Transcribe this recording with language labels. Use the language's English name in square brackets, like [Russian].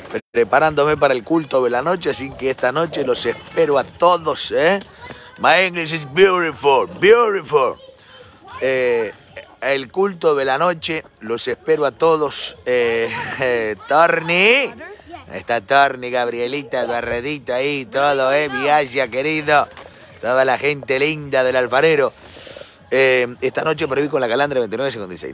[Spanish] Preparándome para el culto de la noche, así que esta noche los espero a todos, ¿eh? [English] My English is beautiful, beautiful. [Spanish] El culto de la noche, los espero a todos. Tarni. Está Tarni, Gabrielita, Barredito ahí, todo, mi Aya, querido. Toda la gente linda del alfarero. Esta noche prohibí con la calandra 29.56.